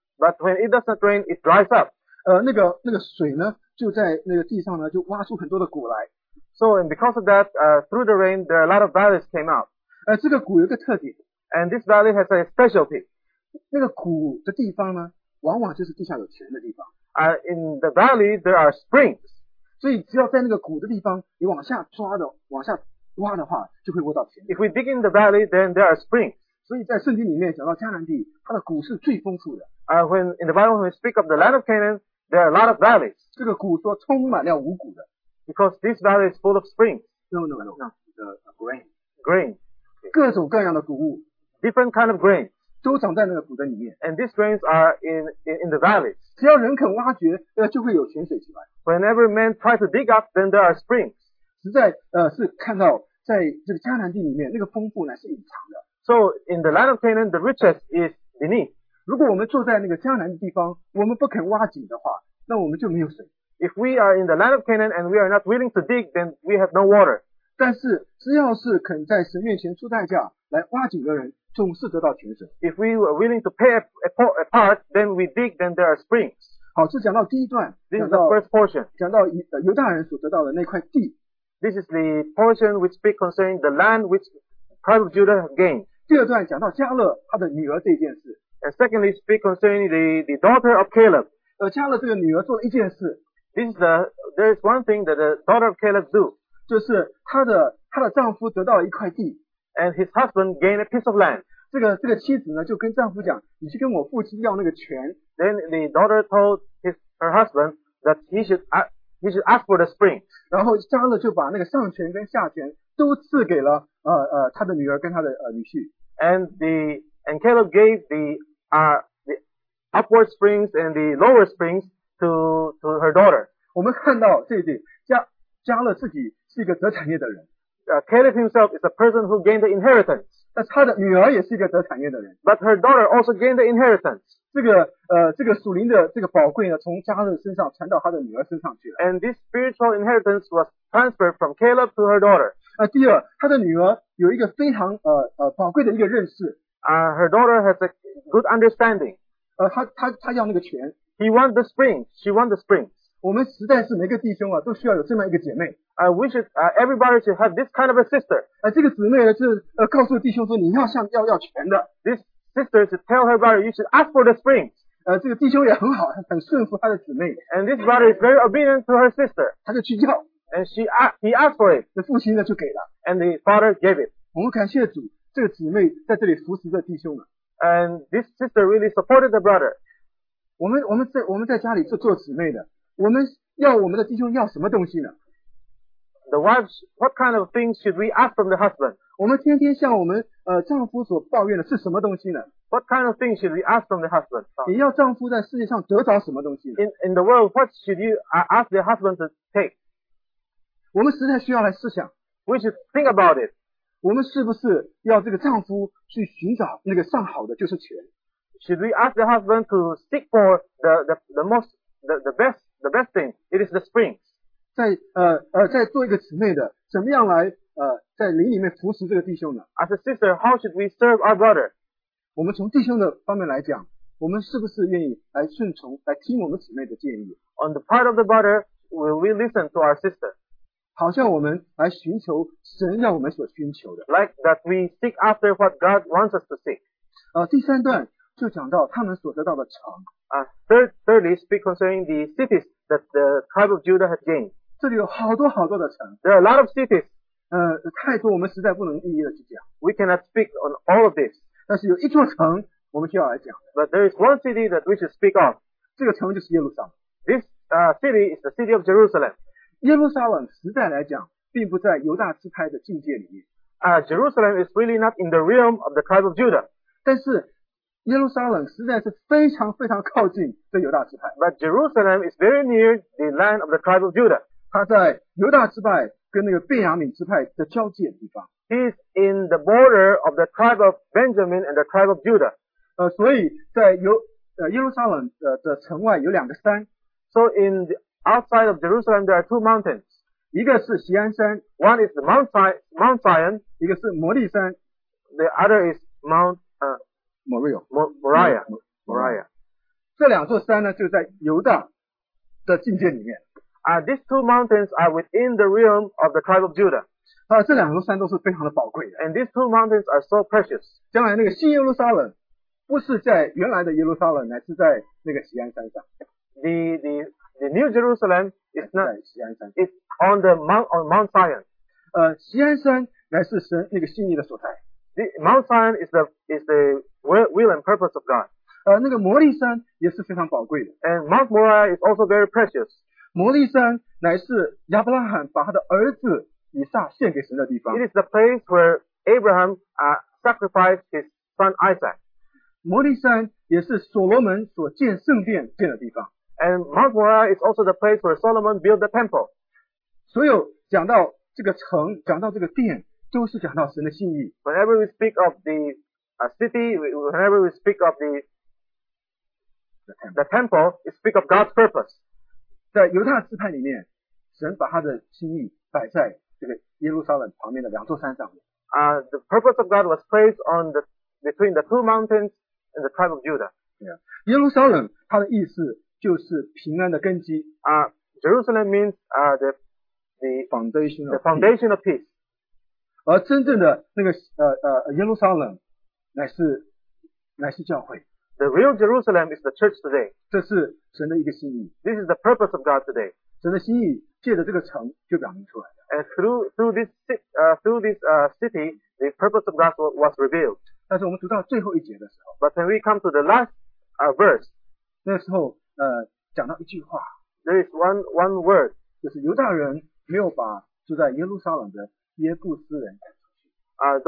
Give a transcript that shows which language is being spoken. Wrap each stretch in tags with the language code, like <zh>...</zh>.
<en>But when it doesn't rain, it dries up.</en> <zh>那个水呢，就在那个地上呢，就挖出很多的谷来。</zh> <en>So and because of that, through the rain, there are a lot of valleys came out.</en> <zh>这个谷有一个特点。</zh> <en>And this valley has a specialty.</en> <zh>那个谷的地方呢，往往就是地下有泉的地方。</zh> <en>In the valley, there are springs.</en> <zh>所以只要在那个谷的地方，你往下抓的，往下。挖的话就会挖到钱。</zh> <en>If we dig in the valley, then there are springs.</en> <zh>所以在圣经里面讲到迦南地，它的谷是最丰富的。</zh> <en>When in the Bible, when we speak of the land of Canaan, there are a lot of valleys.</en> <zh>这个谷说充满了五谷的。</zh> <en>Because this valley is full of springs. No. The grain. Grain.</en> <zh>各种各样的谷物。</zh> <en>Different kind of grain.</en> <zh>都长在那个谷的里面。</zh> <en>And these grains are in the valleys.</en> <zh>只要人肯挖掘，就会有泉水出来。</zh> <en>Whenever men try to dig up, then there are springs.</en> <zh>实在是看到在这个迦南地里面那个丰富呢是隐藏的。</zh> <en>So in the land of Canaan, the riches is beneath.</en> <zh>如果我们坐在那个迦南的地方，我们不肯挖井的话，那我们就没有水。</zh> <en>If we are in the land of Canaan and we are not willing to dig, then we have no water.</en> <zh>但是只要是肯在神面前出代价来挖井的人，总是得到泉水。</zh> <en>If we are willing to pay a part, then we dig, then there are springs.</en> <zh>好，这讲到第一段，</zh> <en>this is the first portion.</en> <zh>讲到犹大人所得到的那块地。</zh> <en>This is the portion which speaks concerning the land which tribe of Judah gained.</en> <zh>第二段讲到迦勒他的女儿这件事。</zh> <en>And secondly, speak concerning the daughter of Caleb.</en> <zh>迦勒这个女儿做了一件事。</zh> <en>This is there is one thing that the daughter of Caleb do.</en> <zh>就是她的丈夫得到了一块地。</zh> <en>And his husband gained a piece of land.</en> <zh>这个妻子呢就跟丈夫讲，你去跟我父亲要那个泉。</zh> <en>Then the daughter told her husband that he should ask for the spring.</en> <zh>然后迦勒就把那个上权跟下权都赐给了他的女儿跟他的女婿。</zh> <en>And Caleb gave the upward springs and the lower springs to her daughter.</en> <zh>我们看到这一点，迦勒自己是一个得产业的人。</zh> <en>Caleb himself is a person who gained the inheritance.</en> <zh>但他的女儿也是一个得产业的人。</zh> <en>But her daughter also gained the inheritance.</en> <zh>这个属灵的这个宝贵呢，从迦勒身上传到他的女儿身上去了。</zh> <en>And this spiritual inheritance was transferred from Caleb to her daughter.</en> <zh>第二，他的女儿有一个非常宝贵的一个认识。</zh> <en>Her daughter has a good understanding.</en> <zh>他要那个泉。</zh> <en>He wants the spring. She wants the spring.</en> <zh>我们实在是每个弟兄啊，都需要有这么一个姐妹。</zh> <en>I wish everybody should have this kind of a sister.</en> <zh>这个姊妹呢，是告诉弟兄说你要向要全的。</zh> <en>This sister should tell her brother you should ask for the spring.</en> <zh>这个弟兄也很好，很顺服他的姊妹。</zh> <en>And this brother is very obedient to her sister.</en> <zh>他就去要。</zh> <en>And he asked for it.</en> <zh>父亲呢就给了。</zh> <en>And the father gave it.</en> <zh>我们感谢主，这个姊妹在这里扶持着弟兄呢。</zh> <en>And this sister really supported the brother.</en> <zh>我们在家里是做姊妹的。我们要我们的弟兄要什么东西呢</zh> <en>？The wives, what kind of things should we ask from the husband？</en> <zh>我们天天向我们丈夫所抱怨的是什么东西呢</zh> <en>？What kind of things should we ask from the husband？</en> <zh>你要丈夫在世界上得着什么东西呢</zh> <en>？In the world, what should you ask the husband to take？</en> <zh>我们实在需要来思想。</zh> <en>We should think about it。</en> <zh>我们是不是要这个丈夫去寻找那个上好的就是权？</zh> <en>Should we ask the husband to seek for the best thing? It is the springs.</en> <zh>在做一个姊妹的，怎么样来在灵里面服侍这个弟兄呢？</zh> <en>As a sister, how should we serve our brother?</en> <zh>我们从弟兄的方面来讲，我们是不是愿意来顺从，来听我们姊妹的建议？</zh> <en>On the part of the brother, will we listen to our sister?</en> <zh>好像我们来寻求神要我们所寻求的。</zh> <en>Like that we seek after what God wants us to seek.</en> <zh>第三段就讲到他们所得到的城。</zh> <en>Thirdly, speak concerning the cities that the tribe of Judah had gained.</en> <zh>这里有好多好多的城。</zh> <en>There are a lot of cities.</en> <zh>太多我们实在不能一一的去讲。</zh> <en>We cannot speak on all of this.</en> <zh>但是有一座城我们需要来讲。</zh> <en>But there is one city that we should speak of.</en> <zh>这个城就是耶路撒冷。</zh> <en>This city is the city of Jerusalem.</en> <zh>耶路撒冷实在来讲并不在犹大支派的境界里面。</zh> <en>Jerusalem is really not in the realm of the tribe of Judah.</en> <zh>但是耶路撒冷实在是非常非常靠近这犹大支派。</zh> <en>But Jerusalem is very near the land of the tribe of Judah.</en> <zh>它在犹大支派跟那个便雅悯支派的交界的地方。</zh> <en>It is in the border of the tribe of Benjamin and the tribe of Judah.</en> <zh>所以在耶路撒冷的城外有两个山。</zh> <en>So in the outside of Jerusalem there are two mountains.</en> <zh>一个是锡安山。</zh> <en>One is the Mount Zion.</en> <zh>一个是摩利山。</zh> <en>The other is Mount Moriah.</en> <zh>这两座山呢就在犹大的境界里面。</zh> <en>These two mountains are within the realm of the tribe of Judah.</en> <zh>这两座山都是非常的宝贵的。</zh> <en>And these two mountains are so precious.</en> <zh>将来那个新耶路撒冷不是在原来的耶路撒冷，乃是在那个锡安山上。</zh> <en>The New Jerusalem is not It's on the Mount Zion.</en> <zh>锡安山乃是神那个心意的所在。</zh> <en>The Mount Zion is the will and purpose of God.</en> <zh>那个摩利山也是非常宝贵的。</zh> <en>And Mount Moriah is also very precious.</en> <zh>摩利山乃是亚伯拉罕把他的儿子以撒献给神的地方。</zh> <en>It is the place where Abraham sacrificed his son Isaac.</en> <zh>摩利山也是所罗门所建圣殿建的地方。</zh> <en>And Mount Moriah is also the place where Solomon built the temple.</en> <zh>所有讲到这个城，讲到这个殿，都是讲到神的心意。</zh> <en>Whenever we speak of the city, whenever we speak of the temple, we speak of God's purpose.</en> <zh>在犹大支派里面，神把他的心意摆在这个耶路撒冷旁边的两座山上面。</zh> <en>The purpose of God was placed on the between the two mountains and the tribe of Judah. Yeah.</en> <zh>耶路撒冷它的意思就是平安的根基。</zh> <en>Jerusalem means the foundation of the foundation of peace.</en> <zh>而真正的那个耶路撒冷乃是教会。</zh> <en>The real Jerusalem is the church today.</en> <zh>这是神的一个心意。</zh> <en>This is the purpose of God today.</en> <zh>神的心意借着这个城就表明出来了。</zh> <en>And through this city, the purpose of God was revealed.</en> <zh>但是我们读到最后一节的时候。</zh> <en>But when we come to the last verse,</en> <zh>那时候讲到一句话。</zh> <en>There is one word.</en> <zh>就是犹大人没有把住在耶路撒冷的耶布斯人赶出去。</zh>